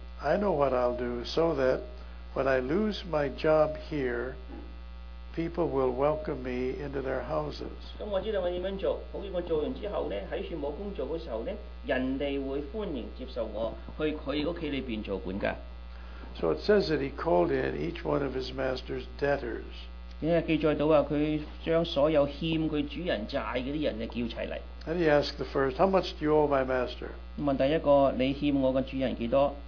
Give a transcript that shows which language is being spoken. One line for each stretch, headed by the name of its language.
English: I know what I'll do so that when I lose my job here, people will welcome me into their houses.
Cantonese: 咁我知道我點樣做，好似我做完之後咧，喺處冇工作嘅時候咧，人哋會歡迎接受我去佢屋企裏邊做管家。
English: So it says that he called in each one of his master's debtors.
Cantonese: 因為記載到話，佢將所有欠佢主人債嗰啲人嘅叫齊嚟。
English: And he asked the first, "How much do you owe my master?"
Cantonese: 問第一個，你欠我嘅主人幾多？